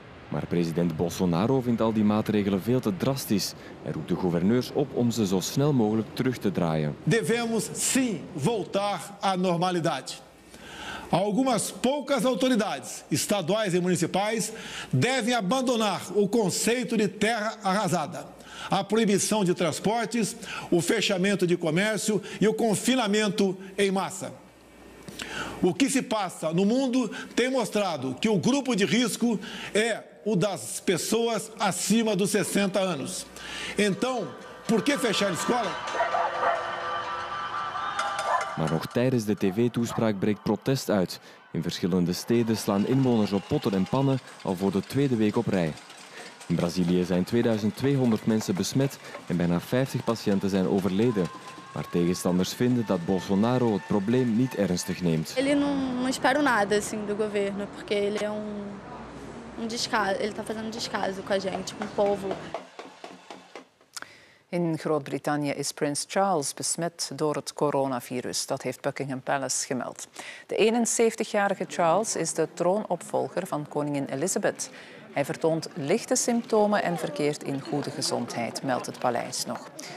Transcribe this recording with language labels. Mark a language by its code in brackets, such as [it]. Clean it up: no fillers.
[nl] Maar president Bolsonaro vindt al die maatregelen veel te drastisch en roept de gouverneurs op om ze zo snel mogelijk terug te draaien. [pt] Devemos sim voltar à normalidade. Algumas poucas autoridades, estaduais e municipais, devem abandonar o conceito de terra arrasada. A proibição de transportes, o fechamento de comércio e o confinamento em massa. O que se passa no mundo tem mostrado que o grupo de risco é o das pessoas acima dos 60 anos. Então, por que fechar a escola? [nl] Maar nog tijdens de tv-toespraak breekt protest uit. In verschillende steden slaan inwoners op potten en pannen al voor de tweede week op rij. In Brazilië zijn 2200 mensen besmet en bijna 50 patiënten zijn overleden. Maar tegenstanders vinden dat Bolsonaro het probleem niet ernstig neemt. [pt] Ele não espero nada assim do governo, porque ele é um descaso, ele tá fazendo descaso com a gente, com o povo. [nl] In Groot-Brittannië is Prins Charles besmet door het coronavirus. Dat heeft Buckingham Palace gemeld. De 71-jarige Charles is de troonopvolger van koningin Elizabeth. Hij vertoont lichte symptomen en verkeert in goede gezondheid, meldt het paleis nog.